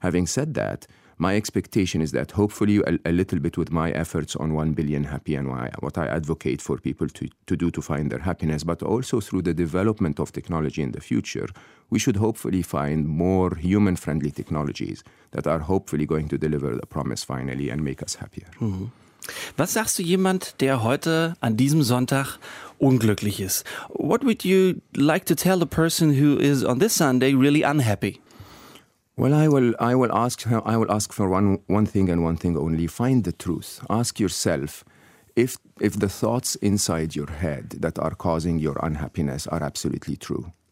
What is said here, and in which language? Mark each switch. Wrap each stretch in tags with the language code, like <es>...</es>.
<en>Having said that, my expectation is that hopefully a little bit with my efforts on 1 billion happy and what I advocate for people to do to find their happiness, but also through the development of technology in the future, we should hopefully find more human-friendly technologies that are hopefully going to deliver the promise finally and make us happier. Mm-hmm.</en> <de>Was sagst du jemand, der heute an diesem Sonntag unglücklich ist?</de> <en>What would you like to tell a person who is on this Sunday really unhappy? Well, I will ask for one thing and one thing only. Find the truth. Ask yourself if the thoughts inside your head that are causing your unhappiness are absolutely true.</en>